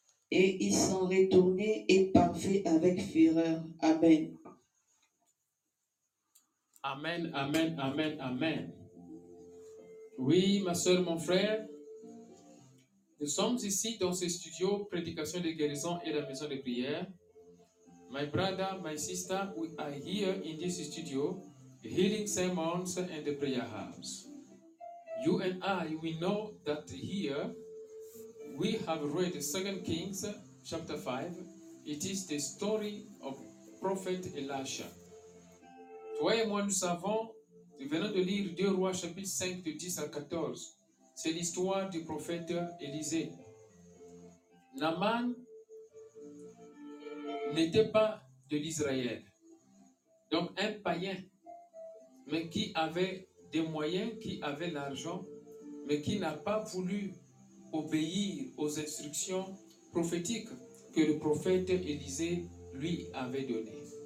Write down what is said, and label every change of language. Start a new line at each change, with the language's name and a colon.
French: Et ils sont retournés et parfaits avec fureur. Amen. Amen, amen, amen, amen. Oui, ma soeur, mon frère, nous sommes ici dans ce studio, prédication de guérison et la maison de prière.
English: My brother, my sister, we are here in this studio, Healing Sermons and the Prayer House. You and I, we know that here we have read 2 Kings chapter 5. It is the story of Prophet Elisha.
French: Toi et moi, nous savons, nous venons de lire 2 Rois chapitre 5 de 10 à 14. C'est l'histoire du prophète Élisée. Naaman n'était pas de l'Israël, donc un païen, mais qui avait des moyens, qui avait l'argent, mais qui n'a pas voulu obéir aux instructions prophétiques que le prophète Élisée lui avait données.